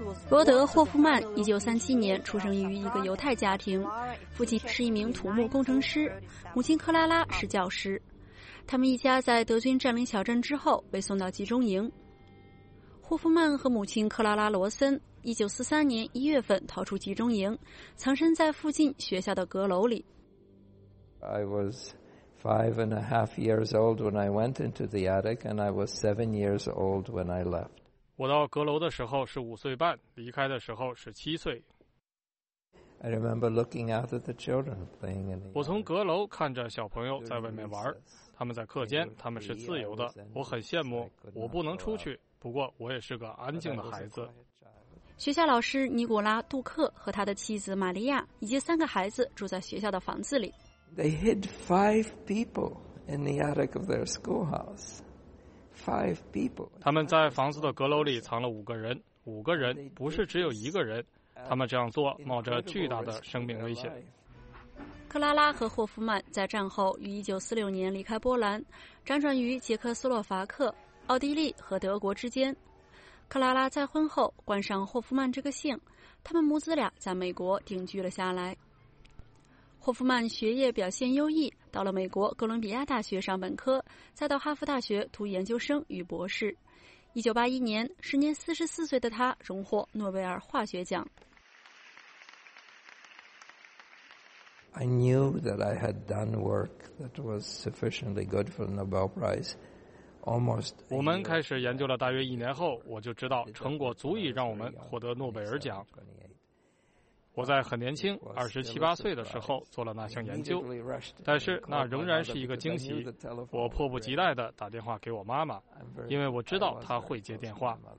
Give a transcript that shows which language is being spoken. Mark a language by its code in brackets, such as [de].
[zh] 罗德·霍夫曼1937年出生于一个犹太家庭，父亲是一名土木工程师，母亲克拉拉是教师。他们一家在德军占领小镇之后被送到集中营。霍夫曼和母亲克拉拉·罗森1943年1月逃出集中营，藏身在附近学校的阁楼里。 [en] I was five and a half years old when I went into the attic, and I was 7 years old when I left. [zh] 我到阁楼的时候是5岁半，离开的时候是7岁。 [en] I remember looking out at the children playing in the. [zh] 我从阁楼看着小朋友在外面玩，他们在课间，他们是自由的，我很羡慕，我不能出去。不过我也是个安静的孩子。学校老师尼古拉·杜克和他的妻子玛利亚以及3个孩子住在学校的房子里。 [en] They hid 5 people in the attic of their schoolhouse. 5 people. [zh] 他们在房子的阁楼里藏了5个人，5个人不是只有一个人，他们这样做冒着巨大的生命危险。克拉拉和霍夫曼在战后于1946年离开波兰，辗转于捷克斯洛伐克、奥地利和德国之间。克拉拉再婚后冠上霍夫曼这个姓，他们母子俩在美国定居了下来。霍夫曼学业表现优异，到了美国哥伦比亚大学上本科，再到哈佛大学读研究生与博士。 1981年，时年44岁的他荣获诺贝尔化学奖。 [en] I knew that I had done work that was sufficiently good for the Nobel Prize. [zh] 我们开始研究了大约一年后，我就知道成果足以让我们获得诺贝尔奖。我在很年轻，27、28岁的时候做了那项研究，但是那仍然是一个惊喜。我迫不及待地打电话给我妈妈，因为我知道她会接电话。